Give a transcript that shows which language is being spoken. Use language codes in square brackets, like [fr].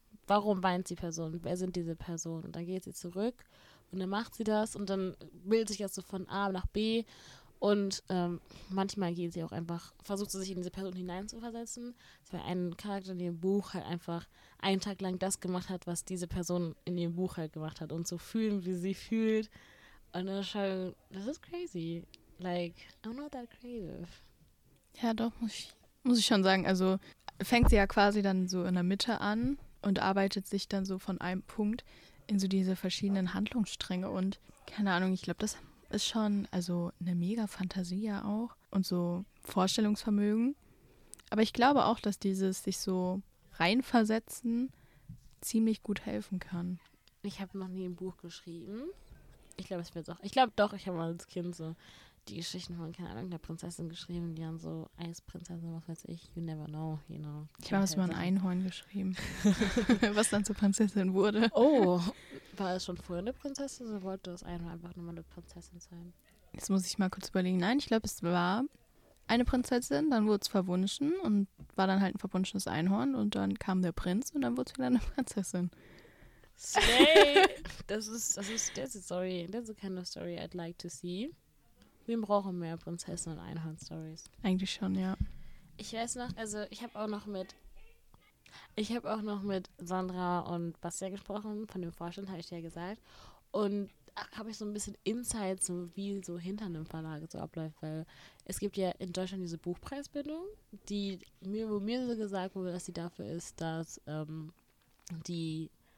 [de] Warum weint die Person? Wer sind diese Personen? Und dann geht sie zurück und dann macht sie das und dann bildet sich das so von A nach B. Und manchmal geht sie auch einfach, versucht sie sich in diese Person hineinzuversetzen. Das war ein Charakter in ihrem Buch, halt einfach einen Tag lang das gemacht hat, was diese Person in ihrem Buch halt gemacht hat. Und so fühlen, wie sie fühlt. Und dann schon, das ist crazy. [en] Like, I'm not that creative. [de] Ja, doch, muss ich schon sagen. Also fängt sie ja quasi dann so in der Mitte an und arbeitet sich dann so von einem Punkt in so diese verschiedenen Handlungsstränge. Und keine Ahnung, ich glaube, das ist schon, also eine mega Fantasie ja auch und so Vorstellungsvermögen. Aber ich glaube auch, dass dieses sich so reinversetzen ziemlich gut helfen kann. Ich habe noch nie ein Buch geschrieben. Ich glaube, es wird auch. Ich glaube doch, ich habe mal als Kind so die Geschichten von, keine Ahnung, der Prinzessin geschrieben, die haben so Eisprinzessin, was weiß ich, [en] you never know, you know. [de] Ich habe es mal ein Einhorn geschrieben, was dann zur Prinzessin wurde. Oh, war es schon vorher eine Prinzessin oder wollte das Einhorn einfach nur mal eine Prinzessin sein? Jetzt muss ich mal kurz überlegen. Nein, ich glaube, es war eine Prinzessin, dann wurde es verwunschen und war dann halt ein verwunschenes Einhorn und dann kam der Prinz und dann wurde es wieder eine Prinzessin. [en] Slay! That's a story. That's the kind of story I'd like to see. [de] Wir brauchen mehr Prinzessin- und Einhorn-Stories. Eigentlich schon, ja. Ich weiß noch, also ich habe auch noch mit Sandra und Bastian gesprochen, von dem Vorstand, habe ich dir ja gesagt. Und habe ich so ein bisschen Insight, so wie so hinter einem Verlag so abläuft, weil es gibt ja in Deutschland diese Buchpreisbindung, wo mir so gesagt wurde, dass sie dafür ist, dass die